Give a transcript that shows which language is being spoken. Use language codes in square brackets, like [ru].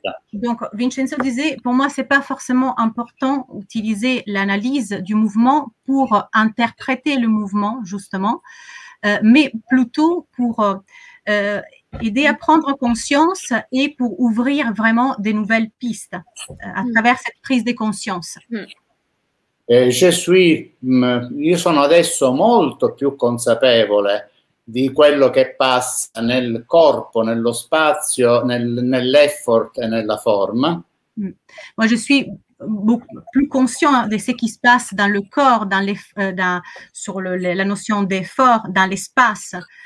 [fr] Donc Vincenzo disait, pour moi c'est pas forcément important d'utiliser l'analyse du mouvement pour interpréter le mouvement justement, mais plutôt pour aider à prendre conscience et pour ouvrir vraiment des nouvelles pistes à travers cette prise de conscience. [it] Io sono adesso molto più consapevole di quello che passa nel corpo, nello spazio, nell'effort e nella forma. [fr] Moi je suis beaucoup plus conscient de ce qui se passe dans le corps, dans les sur la notion d'effort, dans l'espace.